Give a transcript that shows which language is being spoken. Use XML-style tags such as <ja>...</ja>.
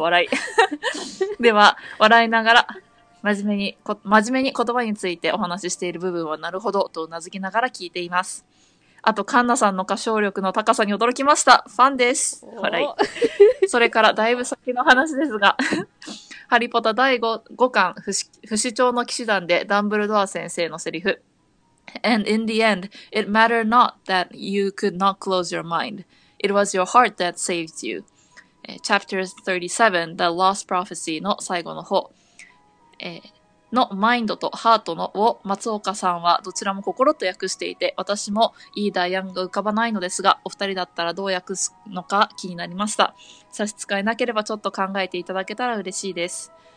<ja>笑い。では、笑いながら、真面目に言葉についてお話ししている部分はなるほどと頷きながら聞いています。あと、カンナさんの歌唱力の高さに驚きました。ファンです。笑い。それから、だいぶ先の話ですが、ハリポタ第 5巻、不死鳥の騎士団でダンブルドア先生のセリフ。</ja> <en>And in the end, it mattered not that you could not close your mind. It was your heart that saved you.</en> <ja>Chapter 37, The Lost Prophecy の最後の方、のマインドとハートのを松岡さんはどちらも心と訳していて、私もいいダイアンが浮かばないのですが、お二人だったらどう訳すのか気になりました。差し支えなければちょっと考えていただけたら嬉しいです。</ja>